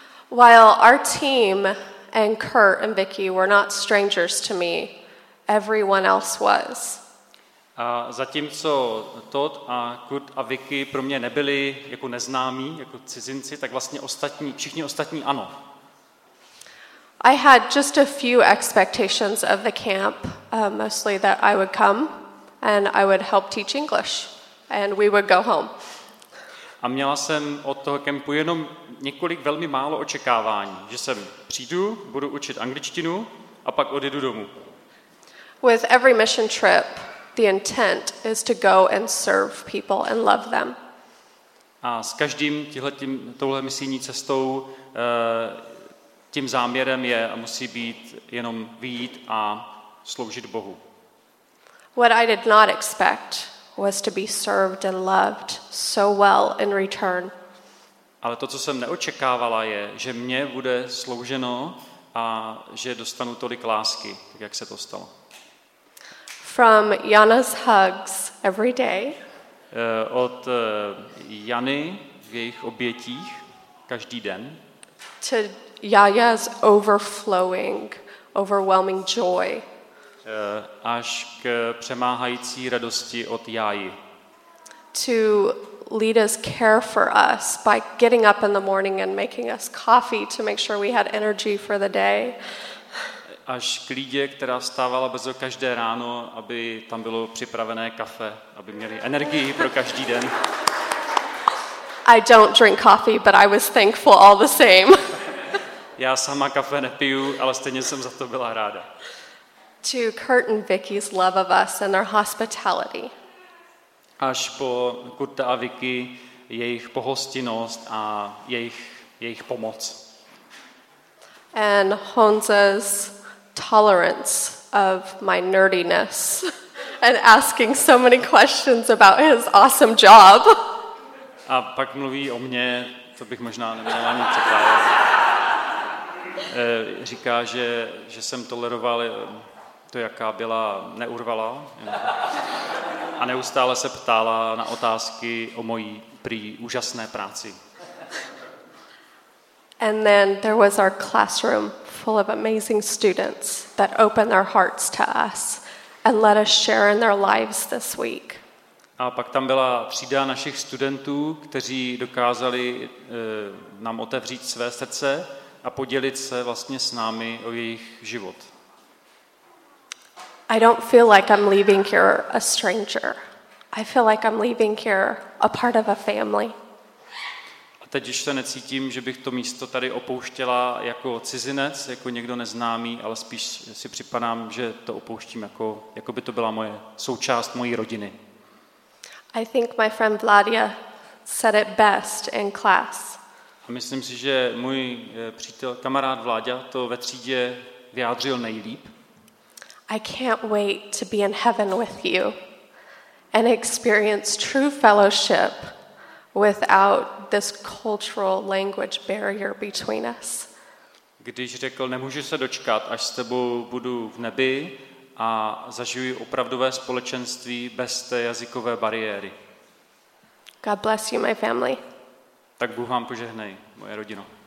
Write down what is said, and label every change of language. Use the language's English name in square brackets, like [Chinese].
[English] While our team and Kurt and Vicky were not strangers to me, everyone else was. [Czech] A zatímco Todd a Kurt a Vicky pro mě nebyli jako neznámí, jako cizinci, tak vlastně ostatní, všichni ostatní ano. [English] I had just a few expectations of the camp, mostly that I would come and I would help teach English and we would go home. [Czech] A měla jsem od toho kempu jenom několik velmi málo očekávání, že sem přijdu, budu učit angličtinu a pak odjedu domů. [English] With every mission trip, the intent is to go and serve people and love them. [Czech] A s každým touhle misijní cestou tím záměrem je a musí být jenom vyjít a sloužit Bohu. [English] What I did not expect was to be served and loved so well in return. [Czech] Ale to, co jsem neočekávala, je, že mě bude slouženo a že dostanu tolik lásky, tak jak se to stalo. [English] From Jana's hugs every day. [Czech] Od Jany v jejich obětích každý den. [English] To Yaya's overflowing, overwhelming joy. [Czech] Až k přemáhající radosti od Jáji. [English] To Lita's care for us by getting up in the morning and making us coffee to make sure we had energy for the day. [Czech] Až k Lidě, která vstávala brzo každé ráno, aby tam bylo připravené kafe, aby měli energii pro každý den. [English] I don't drink coffee, but I was thankful all the same. [Czech] Já sama kafe nepiju, ale stejně jsem za to byla ráda. [English] To Kurt and Vicky's love of us and their hospitality. [Czech] Až po Kurta a Vicky, jejich pohostinnost a jejich pomoc. [English] And Honza's tolerance of my nerdiness and asking so many questions about his awesome job. [Czech] A pak mluví o mně, to bych možná neměla ani překládat. Říká, že jsem toleroval to, jaká byla neurvala a neustále se ptala na otázky o mojí prý úžasné práci. [English] And then there was our classroom full of amazing students that opened their hearts to us and let us share in their lives this week. [Czech] A pak tam byla třída našich studentů, kteří dokázali nám otevřít své srdce a podělit se vlastně s námi o jejich život. [English] I don't feel like I'm leaving here a stranger. I feel like I'm leaving here a part of a family. [Czech] A teď už se necítím, že bych to místo tady opouštěla jako cizinec, jako někdo neznámý, ale spíš si připadám, že to opouštím jako by to byla moje součást mojí rodiny. [English] I think my friend Vladia said it best in class. [Czech] A myslím si, že můj přítel, kamarád Vláďa, to ve třídě vyjádřil nejlíp. [English] I can't wait to be in heaven with you and experience true fellowship without this cultural language barrier between us. [Czech] Když řekl, nemůžu se dočkat, až s tebou budu v nebi a zažiju opravdové společenství bez té jazykové bariéry. [English] God bless you, my family. [Czech] Tak Bůh vám požehnej, moje rodino.